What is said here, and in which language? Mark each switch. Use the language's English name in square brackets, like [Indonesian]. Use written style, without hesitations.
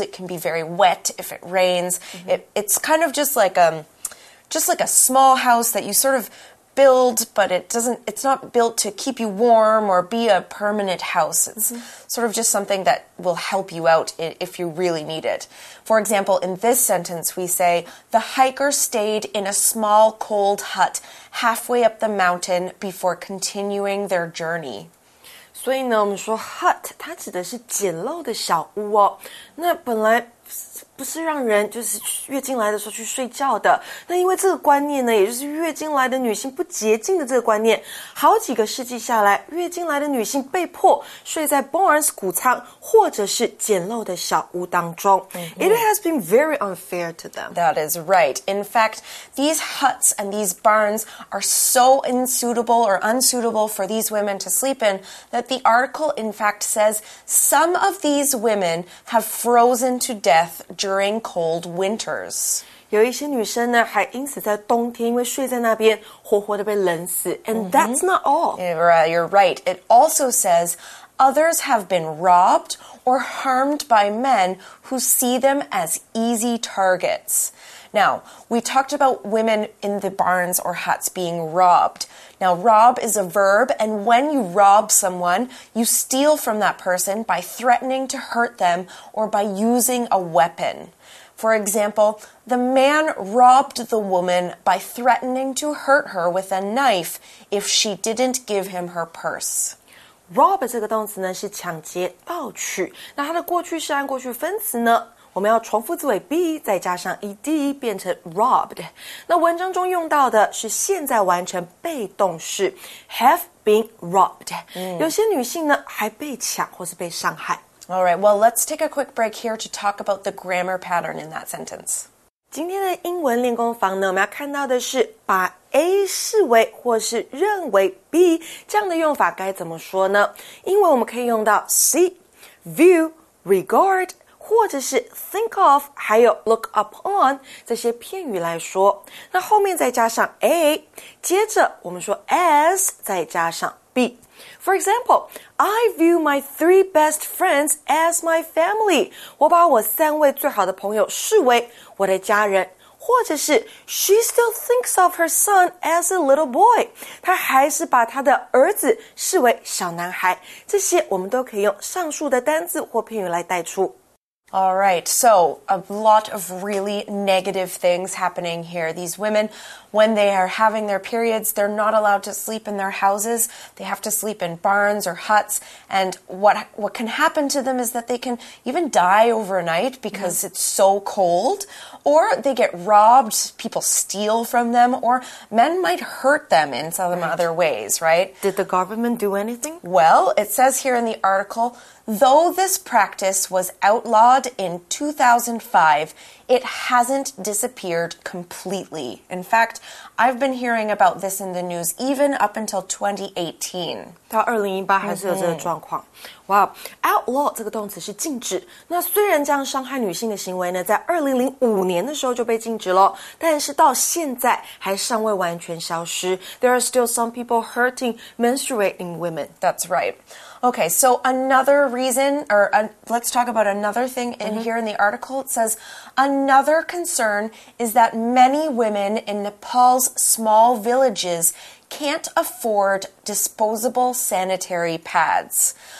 [English] It can be very wet if it rains. It's kind of just like a small house that you sort of build, but it's not built to keep you warm or be a permanent house. It's sort of just something that will help you out if you really need it. For example, in this sentence, we say, the hiker stayed in a small cold hut halfway up the mountain before continuing their journey. [Chinese] 所以呢，我们说 hut 它指的是简陋的小屋哦。那本来不是让人就是月经来的时候去睡觉的。那因为这个观念呢，也就是月经来的女性不洁净的这个观念，好几个世纪下来，月经来的女性被迫睡在 barns 谷仓或者是简陋的小屋当中。 [English] It has been very unfair to them. That is right. In fact, these huts and these barns are so unsuitable for these women to sleep in. That the article, in fact, says some of these women have frozen to death during cold winters. [Chinese] 有一些女生呢，还因此在冬天，因为睡在那边，活活的被冷死。 [English] And that's not all. You're right. It also says others have been robbed or harmed by men who see them as easy targets. Now, we talked about women in the barns or huts being robbed. Now, rob is a verb, and when you rob someone, you steal from that person by threatening to hurt them or by using a weapon. For example, the man robbed the woman by threatening to hurt her with a knife if she didn't give him her purse. [Chinese] Rob 这个动词呢是抢劫、盗取，那它的过去式按过去分词呢？我们要重复字尾 be 再加上 ed 变成 robbed。那文章中用到的是现在完成被动式 have been robbed。有些女性呢还被抢或是被伤害。 [English] All right, well, let's take a quick break here to talk about the grammar pattern in that sentence. [Chinese] 今天的英文练功房呢，我们要看到的是把。 A 视为或是认为 B 这样的用法该怎么说呢？因为我们可以用到 see, view, regard 或者是 think of 还有 look upon 这些片语来说，那后面再加上 a， 接着我们说 as 再加上 b。 [English] For example, I view my three best friends as my family. [Chinese] 我把我三位最好的朋友视为我的家人。或者是 [English] She still thinks of her son as a little boy. [Chinese] 她还是把她的儿子视为小男孩。这些我们都可以用上述的单字或片语来带出。 [English] All right, so a lot of really negative things happening here. These women, when they are having their periods, they're not allowed to sleep in their houses. They have to sleep in barns or huts. And what can happen to them is that they can even die overnight because it's so cold. Or they get robbed, people steal from them, or men might hurt them in some other ways, right? Did the government do anything? Well, it says here in the article,Though this practice was outlawed in 2005, it hasn't disappeared completely. In fact, I've been hearing about this in the news even up until 2018. [Chinese] 到2018还是有这个状况。哇、outlaw 这个动词是禁止。那虽然这样伤害女性的行为呢，在2005年的时候就被禁止了，但是到现在还尚未完全消失。 [English] There are still some people hurting menstruating women. That's right. Okay, so another reason, let's talk about another thing in here in the article. It says, another concern is that many women in Nepal's small villages can't afford disposable sanitary pads.